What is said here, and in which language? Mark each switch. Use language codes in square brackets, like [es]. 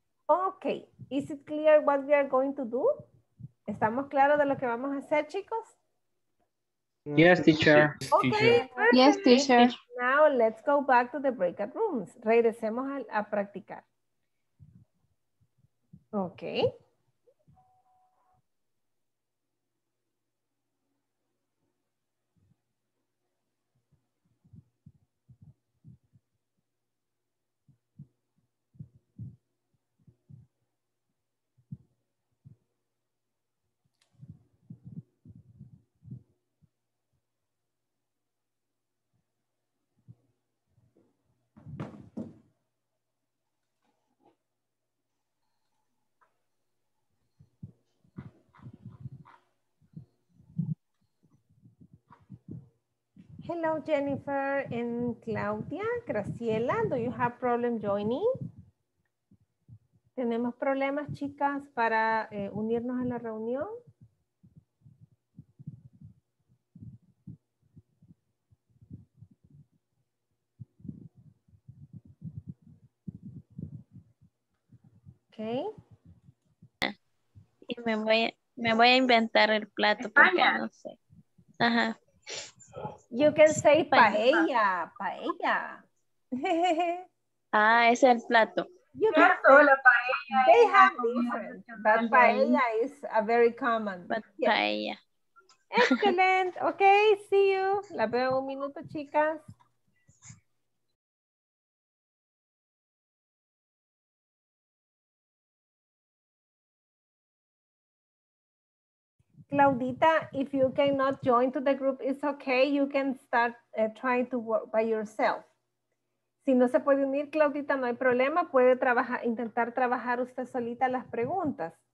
[en] Okay, is it clear what we are going to do? [es] ¿Estamos claros de lo que vamos a hacer, chicos? [en] Yes, teacher. Okay, yes, teacher. Now let's go back to the breakout rooms. [es] Regresemos a practicar. [en] Okay. Hello, Jennifer and Claudia, Graciela, do you have problem joining? [es] ¿Tenemos problemas, chicas, para unirnos a la reunión? [en] Okay. [es] Y me voy a inventar el plato porque no sé. Ajá. [en] You can say paella, paella. [es] Ah, ese es el plato. [en] You can say la paella. They have different, but paella is a very common. But yeah. Paella. Excellent. Okay, see you. [es] La veo un minuto, chicas. [en] Claudita, if you cannot join to the group, it's okay. You can start trying to work by yourself. [es] Si no se puede unir, Claudita, no hay problema. Puede trabajar, intentar trabajar usted solita las preguntas.